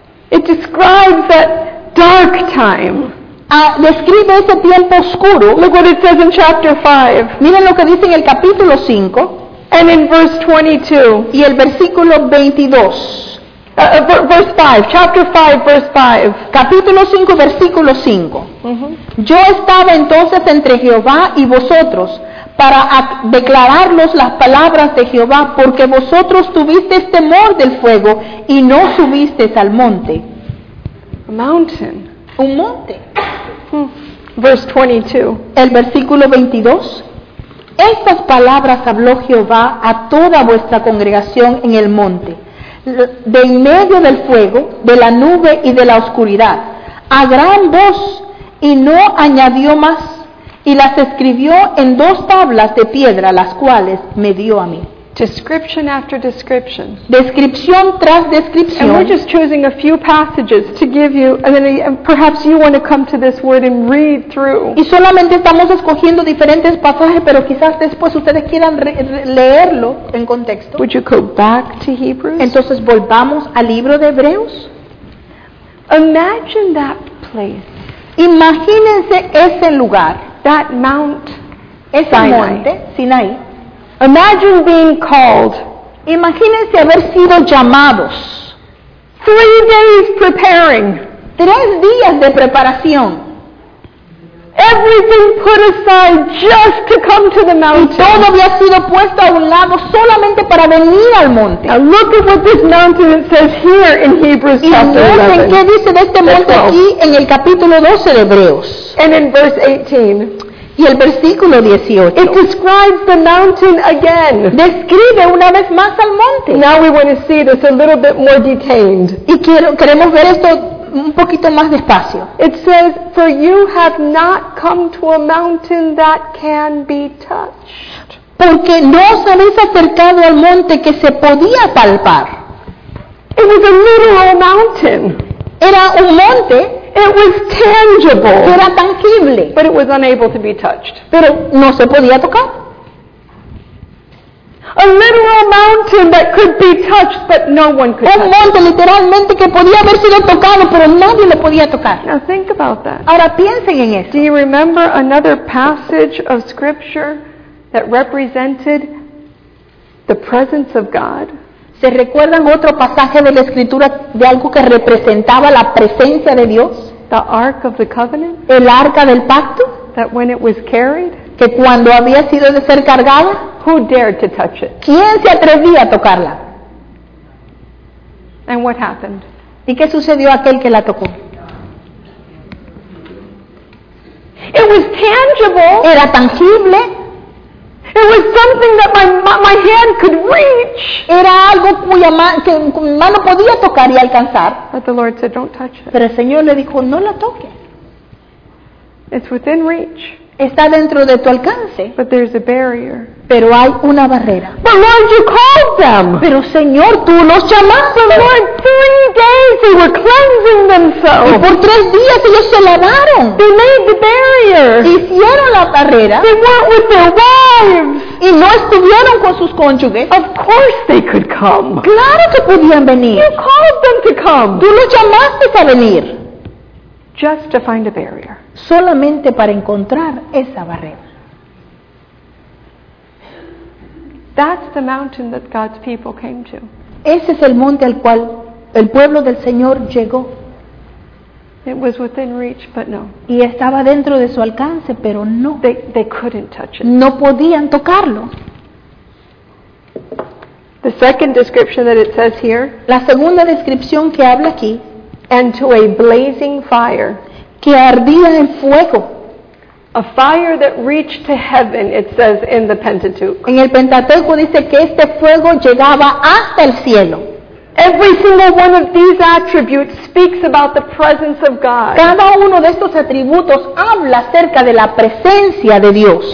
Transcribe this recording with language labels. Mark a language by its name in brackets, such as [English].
[English] It describes that dark time. [Spanish] Describe ese tiempo oscuro. [English] Look what it says in chapter 5. [Spanish] Miren lo que dice en el capítulo 5. [English] And in verse 22. [Spanish] Y el versículo 22. [English] Verse 5, chapter 5, verse 5. [Spanish] Capítulo 5, versículo 5. Yo estaba entonces entre Jehová y vosotros para declararlos las palabras de Jehová, porque vosotros tuvisteis temor del fuego y no subisteis al monte. [English] A mountain. [Spanish] Un monte. [English] Verse 22. [Spanish] El versículo 22. Estas palabras habló Jehová a toda vuestra congregación en el monte, de en medio del fuego, de la nube y de la oscuridad, a gran voz, y no añadió más, y las escribió en dos tablas de piedra, las cuales me dio a mí. [English] Description after description. [Spanish] Descripción tras descripción. [English] And we're just choosing a few passages to give you, and then perhaps you want to come to this word and read through. [Spanish] Y solamente estamos escogiendo diferentes pasajes, pero quizás después ustedes quieran leerlo en contexto. [English] Would you go back to Hebrews? [Spanish] Entonces volvamos al libro de Hebreos. [English] Imagine that place. [Spanish] Imagínense ese lugar. [English] That Mount [Spanish] Sinai. Ese monte Sinai. [English] Imagine being called. [Spanish] Imagínense haber sido llamados. [English] 3 days preparing. [Spanish] 3 días de preparación. [English] Everything put aside just to come to the mountain. [Spanish] Y todo había sido puesto a un lado solamente para venir al monte. [English] Now look at what this mountain says here in Hebrews chapter 11. [Spanish] Y noten qué dice de este monte aquí en el capítulo 12 de Hebreos. [English] And in verse 18. [Spanish] Y el versículo 18. [English] It describes the mountain again. [Spanish] Describe una vez más al monte. [English] Now we want to see this a little bit more detained. [Spanish] Y queremos ver esto un poquito más despacio. [English] It says, "For you have not come to a mountain that can be touched." [Spanish] Porque no os habéis acercado al monte que se podía palpar. [English] It was a literal mountain. [Spanish] Era un monte. [English] It was tangible. [Spanish] Era tangible. [English] But it was unable to be touched. [Spanish] Pero no se podía tocar. [English] A literal mountain that could be touched, but no one could touch. [Spanish] Un monte literalmente que podía haber sido tocado, pero nadie le podía tocar. [English] Now think about that. [Spanish] Ahora piensen en esto. [English] Do you remember another passage of scripture that represented the presence of God? [Spanish] ¿Se recuerdan otro pasaje de la Escritura de algo que representaba la presencia de Dios? [English] The Ark of the Covenant. [Spanish] El Arca del Pacto. [English] That when it was carried. [Spanish] Que cuando había sido de ser cargada. [English] Who dared to touch it? [Spanish] ¿Quién se atrevía a tocarla? [English] And what happened? [Spanish] ¿Y qué sucedió a aquel que la tocó? [English] It was tangible. [Spanish] Era tangible. [English] It was something that my hand could reach. [Spanish] Era algo que mi mano podía tocar y alcanzar. [English] But the Lord said, "Don't touch it." [Spanish] Pero el Señor le dijo, "No la toque." [English] It's within reach. [Spanish] Está dentro de tu alcance. [English] But there's a barrier. [Spanish] Pero hay una barrera. [English] But Lord, you called them. [Spanish] Pero Señor, tú los llamaste. [English] But Lord, 3 days they were cleansing themselves. [Spanish] Y por 3 días ellos se lavaron. [English] They made the barrier. [Spanish] Hicieron la barrera. [English] They weren't with their wives. [Spanish] Y no estuvieron con sus cónyuges. [English] Of course they could come. [Spanish] Claro que podían venir. [English] You called them to come. [Spanish] Tú los llamaste a venir. [English] Just to find a barrier. [Spanish] Solamente para encontrar esa barrera. [English] That's the mountain that God's people came to. [Spanish] Ese es el monte al cual el pueblo del Señor llegó. [English] It was within reach, but no. [Spanish] Y estaba dentro de su alcance, pero no. [English] They couldn't touch it. [Spanish] No podían tocarlo. [English] The second description that it says here. [Spanish] La segunda descripción que habla aquí. [English] And to a blazing fire. [Spanish] Que ardía en fuego. [English] A fire that reached to heaven, it says in the Pentateuch. [Spanish] En el Pentateuco dice que este fuego llegaba hasta el cielo. [English] Every single one of these attributes speaks about the presence of God. [Spanish] Cada uno de estos atributos habla acerca de la presencia de Dios.